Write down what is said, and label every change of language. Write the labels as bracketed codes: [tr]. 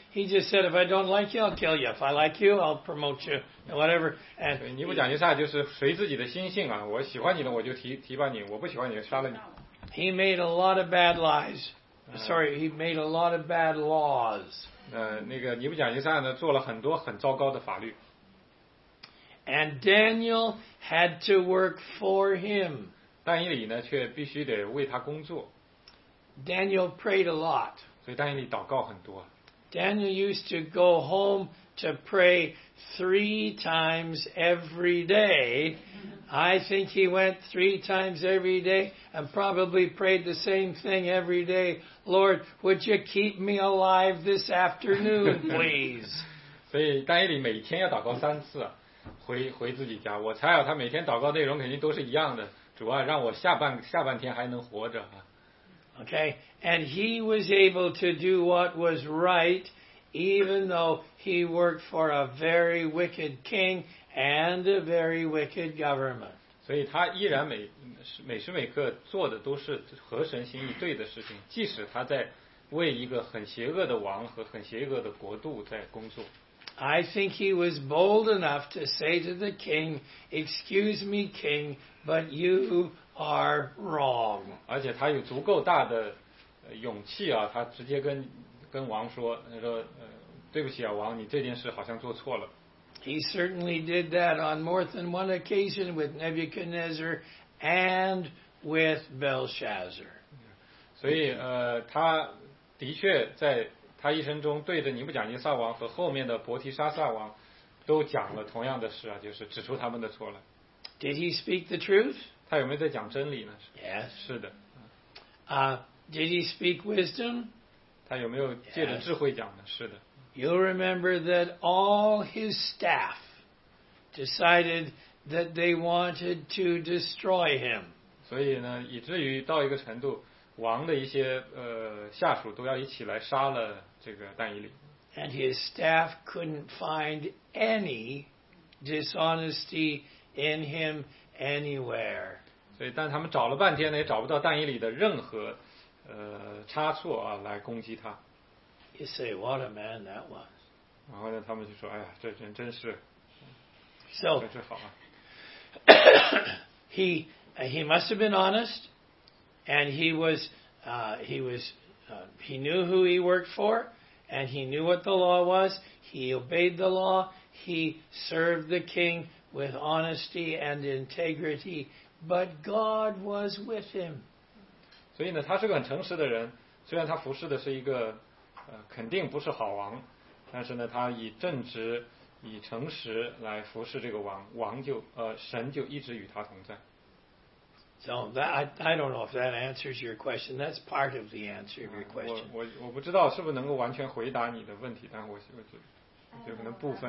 [en] He just said, if I don't like you, I'll kill you. If I like you, I'll promote you, and whatever. And [zh] 尼布甲尼撒就是随自己的心性啊，我喜欢你的我就提拔你，我不喜欢你就杀了你。 [en] He made a lot of bad lies. Sorry, he made a lot of bad laws. [zh] 那个尼布甲尼撒呢，做了很多很糟糕的法律。 [en] And Daniel had to work for him. [zh] 但以理呢，却必须得为他工作。 [en] Daniel prayed a lot. [zh] 所以但以理祷告很多。 [en] Daniel used to go home to pray three times every day. I think he went three times every day and probably prayed the same thing every day. Lord, would you keep me alive this afternoon, please? [zh] 所以丹耶利每天要祷告三次，回自己家。我猜啊，他每天祷告内容肯定都是一样的。主啊，让我下半天还能活着啊。 [en] Okay, and he was able to do what was right, even though he worked for a very wicked king and a very wicked government. [zh] 所以他依然每时每刻做的都是合神心意对的事情，即使他在为一个很邪恶的王和很邪恶的国度在工作。 [en] I think he was bold enough to say to the king, "Excuse me, king, but you are wrong." [zh] 而且他有足够大的勇气啊，他直接跟王说，他说，对不起啊，王，你这件事好像做错了。 [en] He certainly did that on more than one occasion with Nebuchadnezzar and with Belshazzar. [zh] 所以他的确在。他一生中对着尼布甲尼撒王和后面的伯提沙撒王都讲了同样的事啊，就是指出他们的错来。 [en] Did he speak the truth? [zh] 他有没有在讲真理呢？ [en] Yes. [zh] 是的。 [en] Did he speak wisdom? [zh] 他有没有借着智慧讲呢？ [en] Yes. [zh] 是的。 [en] You'll remember that all his staff decided that they wanted to destroy him. [zh] 所以呢，以至于到一个程度王的一些下属都要一起来杀了这个但以理。 [en] And his staff couldn't find any dishonesty in him anywhere. [zh] 所以，但他们找了半天呢，也找不到但以理的任何差错啊，来攻击他。 [en] You say what a man that was. [zh] 然后呢，他们就说：“哎呀，这人真是。 [en] ”So [zh] 这好啊。 [en] He must have been honest. And he knew who he worked for, and he knew what the law was. He obeyed the law. He served the king with honesty and integrity. But God was with him. [zh] 所以呢，他是个很诚实的人。虽然他服侍的是一个，肯定不是好王，但是呢，他以正直、以诚实来服侍这个王，神就一直与他同在。 [en] So that I don't know if that answers your question. That's part of the answer of your question. [zh] 我不知道是不是能够完全回答你的问题，但我就可能部分。